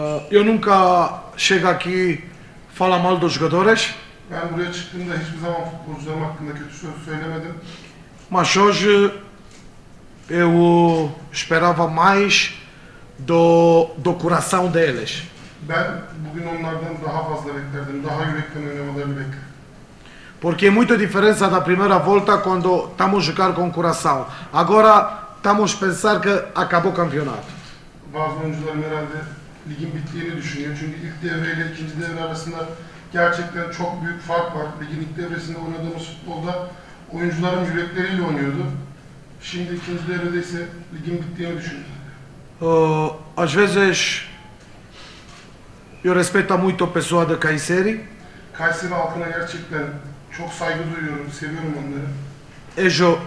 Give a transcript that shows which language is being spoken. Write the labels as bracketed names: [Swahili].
[Portuguese] Eu nunca chego aqui falar mal dos jogadores. [Turkish] Ben buraya çıktığımda hiçbir zaman futbolcularım hakkında kötü söz söylemedim. [Portuguese] Mas hoje eu esperava mais do coração deles. [Turkish] Ben bugün onlardan daha fazla beklerdim, daha yürekten oynamalarını beklerdim. [Portuguese] Porque é muita diferença da primeira volta quando estamos a jogar com coração. Agora estamos a pensar que acabou o campeonato. [Turkish] Bazı oyuncularım herhalde ligin bittiğini düşünüyor. Çünkü ilk devre ile ikinci devre arasında gerçekten çok büyük fark var. Ligin ilk devresinde oynadığımız futbolda oyuncularım yürekleriyle oynuyordu. Şimdi ikinci devrede ise ligin bittiğini düşünüyor. [Portuguese] Às vezes eu respeito muito a pessoa de Kayseri. [Turkish] Kayseri halkına gerçekten çok saygı duyuyorum, seviyorum onları.